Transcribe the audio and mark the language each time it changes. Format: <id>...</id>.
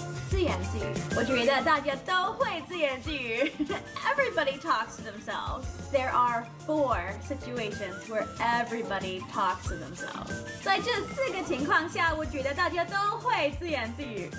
<zh>自言自语，我觉得大家都会自言自语。</zh> <en>Everybody talks to themselves. There are 4 situations where everybody talks to themselves.</en> <zh>在这四个情况下，我觉得大家都会自言自语。</zh>